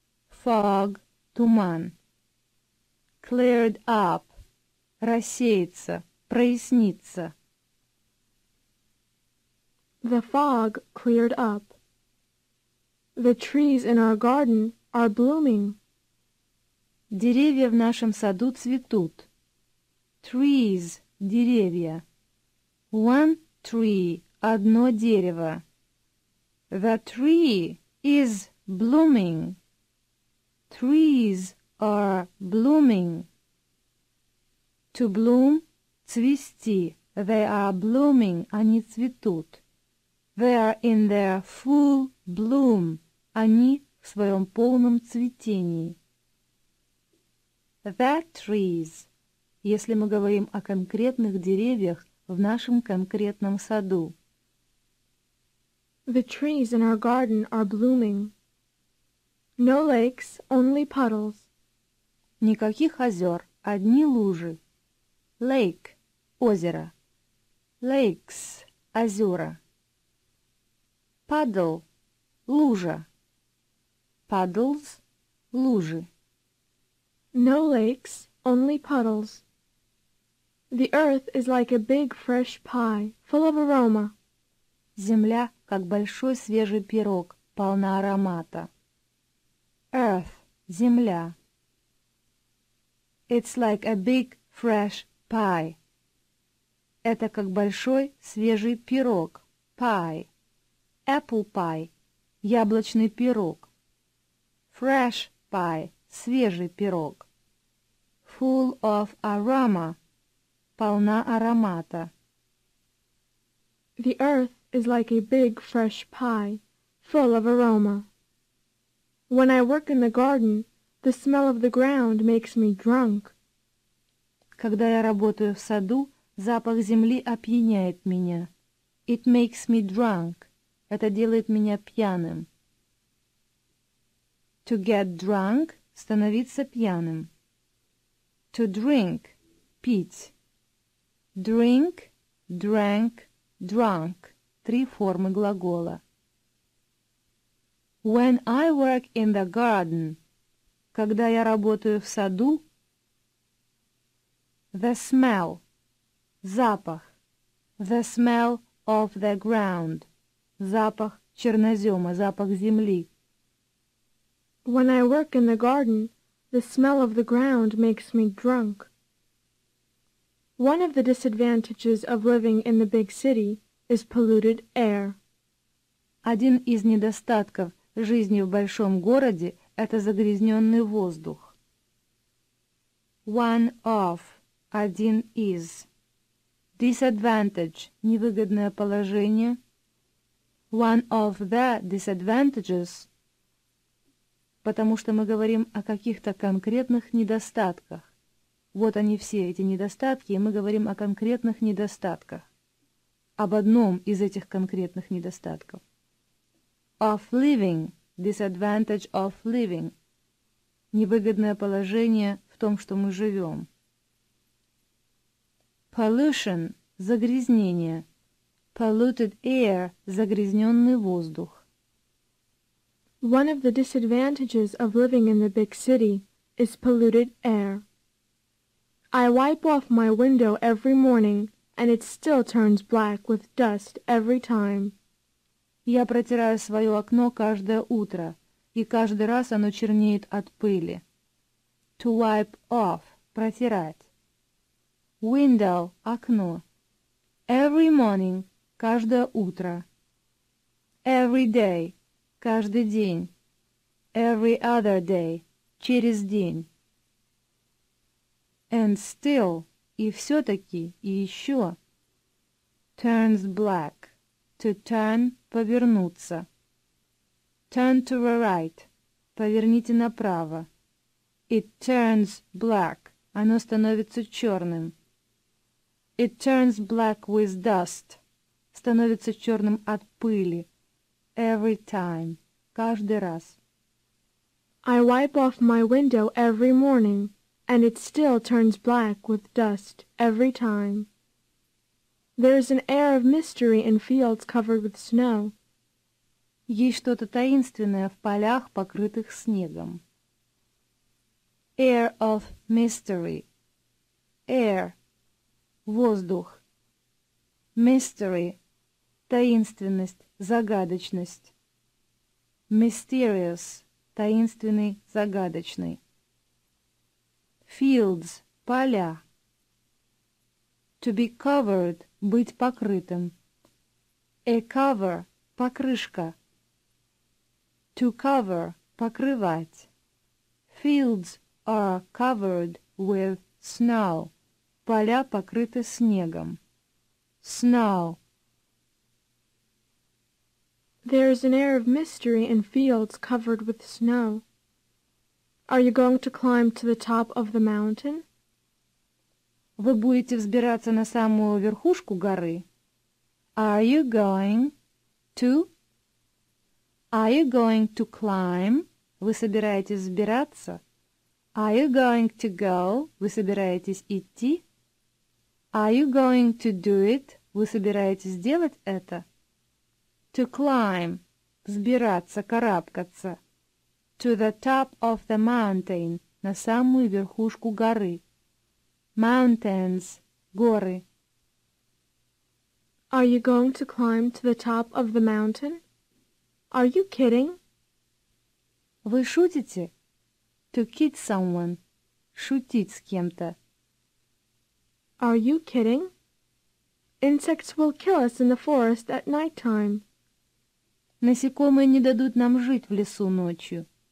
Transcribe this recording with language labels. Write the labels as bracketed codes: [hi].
[en] Fog – туман. Cleared up – [ru] рассеется, прояснится. [en] The fog cleared up. The trees in our garden are blooming. [ru] Деревья в нашем саду цветут. [en] trees – деревья. One tree – [ru] одно дерево. [en] The tree is blooming. Trees are blooming. To bloom – цвести. They are blooming – [ru] они цветут. [en] They are in their full bloom. [ru] Они в своем полном цветении. [en] The trees. [ru] Если мы говорим о конкретных деревьях в нашем конкретном саду. [en] The trees in our garden are blooming. No lakes, only puddles. [ru] Никаких озер, одни лужи. Lake – озеро. [en] Lakes – озера. Puddle – лужа. Puddles – лужи. No lakes, only puddles. The earth is like a big fresh pie, full of aroma. [ru] Земля, как большой свежий пирог, полна аромата. [en] Earth – земля. It's like a big fresh pie. [ru] Это как большой свежий пирог, pie. [en] Apple pie – [ru] яблочный пирог. [en] Fresh pie – [ru] свежий пирог. [en] Full of aroma – [ru] полна аромата. [en] The earth is like a big fresh pie, full of aroma. When I work in the garden, the smell of the ground makes me drunk. [ru] Когда я работаю в саду, запах земли опьяняет меня. [en] It makes me drunk. [ru] Это делает меня пьяным. [en] To get drunk – [ru] становиться пьяным. [en] To drink – пить. Drink, drank, drunk – [ru] три формы глагола. [en] When I work in the garden – [ru] когда я работаю в саду. [en] The smell – запах. The smell of the ground – [ru] запах чернозема, запах земли. [en] When I work in the garden, the smell of the ground makes me drunk. One of the disadvantages of living in the big city is polluted air. [ru] Один из недостатков жизни в большом городе – это загрязненный воздух. [en] One of – [ru] один из. Disadvantage – невыгодное положение. [en] One of the disadvantages [ru] – потому что мы говорим о каких-то конкретных недостатках. Вот они все, эти недостатки, и мы говорим о конкретных недостатках. Об одном из этих конкретных недостатков. [en] Of living, disadvantage of living. [ru] Невыгодное положение в том, что мы живем. [en] Pollution, загрязнение. Polluted air, [ru] загрязненный воздух. [en] One of the disadvantages of living in the big city is polluted air. I wipe off my window every morning, and it still turns black with dust every time. [ru] Я протираю свое окно каждое утро, и каждый раз оно чернеет от пыли. [en] To wipe off – протирать. Window – окно. Every morning – [ru] каждое утро. [en] Every day – [ru] каждый день. [en] Every other day. [ru] Через день. [en] And still. [ru] И все-таки. И еще. [en] Turns black. To turn. Повернуться. Turn to the right. [ru] Поверните направо. [en] It turns black. [ru] Оно становится черным. [en] It turns black with dust. [ru] Становится черным от пыли. [en] Every time. [ru] Каждый раз. [en] I wipe off my window every morning, and it still turns black with dust every time. There is an air of mystery in fields covered with snow. [ru] Есть что-то таинственное в полях, покрытых снегом. [en] Air of mystery. Air. Воздух. Mystery. [ru] Таинственность, загадочность. Mysterious – таинственный, загадочный. Fields – поля. [en] to be covered, [ru] быть покрытым. [en] A cover, покрышка. To cover, покрывать. Fields are covered with snow. [ru] Поля покрыты снегом. [en] Snow. There is an air of mystery in fields covered with snow. Are you going to climb to the top of the mountain? [ru] Вы будете взбираться на самую верхушку горы? [en] Are you going to? Are you going to climb? [ru] Вы собираетесь взбираться? [en] Are you going to go? [ru] Вы собираетесь идти? [en] Are you going to do it? [ru] Вы собираетесь сделать это? [en] To climb. [ru] Взбираться, карабкаться. [en] To the top of the mountain. [ru] На самую верхушку горы. [en] Mountains. [ru] Горы. [en] Are you going to climb to the top of the mountain? Are you kidding? [ru] Вы шутите? [en] To kid someone. [ru] Шутить с кем-то. [en] Are you kidding? Insects will kill us in the forest at night time. [ru] Насекомые не дадут нам жить в лесу ночью.